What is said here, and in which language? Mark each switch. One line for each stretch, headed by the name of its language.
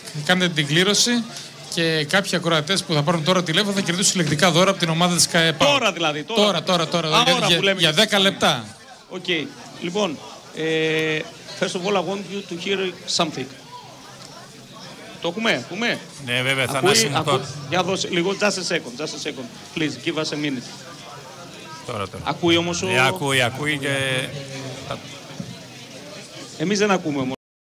Greek: Κάντε την κλήρωση. Και κάποιοι ακροατές που θα πάρουν τώρα τηλέφωνο θα κερδίσουν συλλεκτικά δώρα από την ομάδα της ΚΑΕ. Τώρα δηλαδή. Τώρα. Για 10 λεπτά.
English: Okay.
Greek: Λοιπόν,
English: first of all, I want you to hear something.
Greek: Το ακούμε. Ναι, βέβαια, θα ανάσει μου το. Για δώσε λίγο,
English: just a second. Please, give us a minute.
Greek: Τώρα. Ακούει όμως ο... Ακούει και... Εμείς δεν ακούμε όμως.